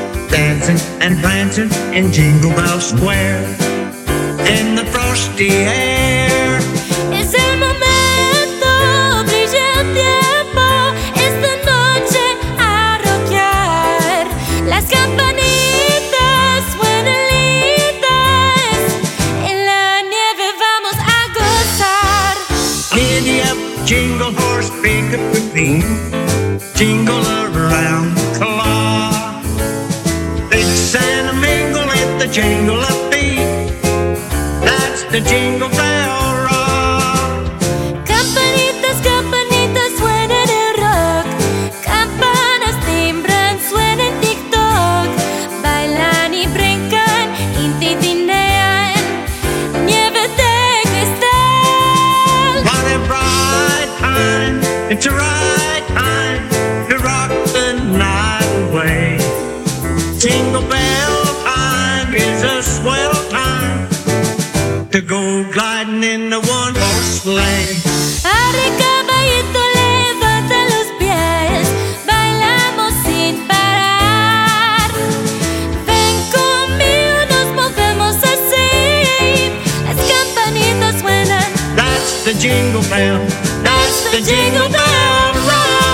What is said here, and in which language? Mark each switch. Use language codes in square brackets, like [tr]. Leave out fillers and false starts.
[en] Dancing and prancing in Jingle Bell Square in the frosty air. [es] Es el momento, brilla el tiempo, es la noche a rockear. Las campanitas suenan lindas, en la nieve vamos a gozar. [en] Giddy up, jingle horse, pick up the theme. Jingle around the clock. And a mingle at the jingle of feet. That's the jingle bell rock. [es] Campanitas, campanitas suenan el rock. Campanas timbran, suenan tic-toc. Bailan y brincan, intitinean. Nieve de cristal. [en] What a bright time, it's a right time to rock the night away. Jingle bell time is a swell time to go gliding in the one-horse sleigh. [es] Arre caballito, levanta los pies, bailamos sin parar. Ven conmigo, nos movemos así, las campanitas suenan. [en] That's the jingle bell, that's the jingle bell rock.